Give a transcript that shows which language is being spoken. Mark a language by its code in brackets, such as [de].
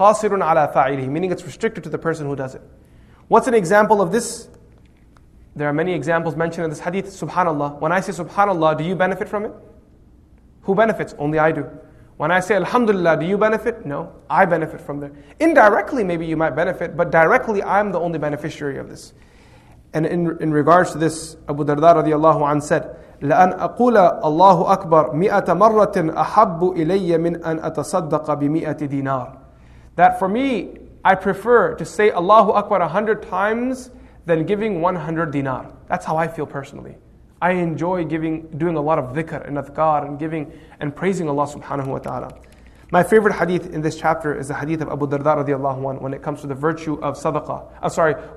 [ar] قاصر على فاعله, [en] meaning it's restricted to the person who does it. What's an example of this? There are many examples mentioned in this hadith. Subhanallah. When I say Subhanallah, do you benefit from it? Who benefits? Only I do. When I say Alhamdulillah, do you benefit? No, I benefit from there. Indirectly, maybe you might benefit, but directly, I'm the only beneficiary of this. And in regards to this, Abu Darda radiallahu anh said, [ar] لَأَنْ أَقُولَ اللَّهُ أَكْبَرْ مِئَةَ مَرَّةٍ أَحَبُّ إِلَيَّ مِنْ أَنْ أَتَصَدَّقَ بِمِئَةِ دِينَارٍ. [en] That for me, I prefer to say Allahu Akbar 100 times than giving 100 dinar. That's how I feel personally. I enjoy doing a lot of dhikr and adhkar and giving and praising Allah subhanahu wa ta'ala. My favorite hadith in this chapter is the hadith of Abu Darda radiallahu anhu when it comes to the virtue of sadaqah.